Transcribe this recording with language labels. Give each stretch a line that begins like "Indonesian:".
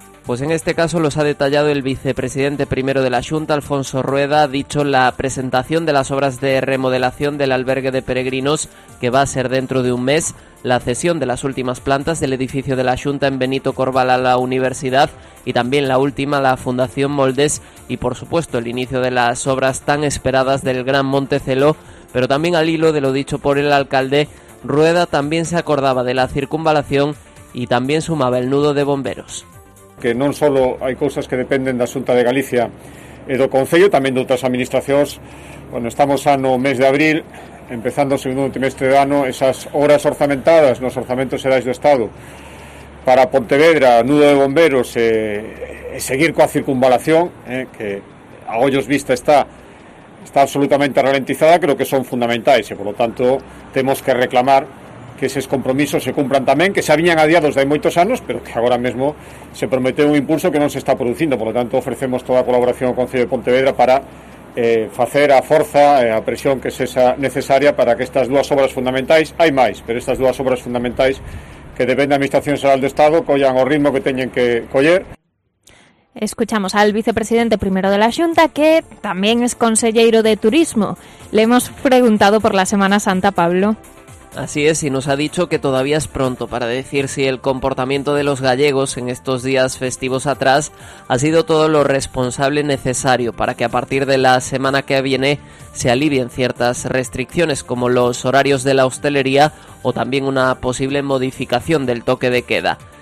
Spanish: Pues en este caso los ha detallado el vicepresidente primero de la Xunta, Alfonso Rueda, ha dicho la presentación de las obras de remodelación del albergue de peregrinos, que va a ser dentro de un mes, la cesión de las últimas plantas del edificio de la Xunta en Benito Corbal a la universidad y también la última, la Fundación Moldes, y por supuesto el inicio de las obras tan esperadas del Gran Montecelo. Pero también al hilo de lo dicho por el alcalde, Rueda también se acordaba de la circunvalación y también sumaba el nudo de bomberos.
Galician: Que non só hai cousas que dependen da Xunta de Galicia e do Concello, tamén de outras administracións. Bueno, estamos ano mes de abril, empezando o segundo trimestre do ano, esas horas orzamentadas nos orzamentos xerais do Estado para Pontevedra, nudo de bomberos e seguir coa circunvalación, que a ollos vista está absolutamente ralentizada, creo que son fundamentais e, polo tanto, temos que reclamar que eses compromisos se cumpran tamén, que xa viñan adiados de moitos anos, pero que agora mesmo se prometeu un impulso que non se está producindo.
Spanish: Por lo tanto,
Galician: ofrecemos toda a colaboración ao Concello de Pontevedra para facer a forza e a presión que sexa necesaria para que estas dúas obras fundamentais, hai máis, pero estas dúas obras fundamentais que dependen da Administración Xeral do Estado, collan o ritmo que teñen que coller.
Spanish: Escuchamos al vicepresidente primero de la Xunta, que también es conselleiro de Turismo. Le hemos preguntado por la Semana Santa, Pablo. Así es, y nos ha dicho que todavía es pronto para decir si el comportamiento de los gallegos en estos días festivos atrás ha sido todo lo responsable necesario para que a partir de la semana que viene se alivien ciertas restricciones como los horarios de la hostelería o también una posible modificación del toque de queda.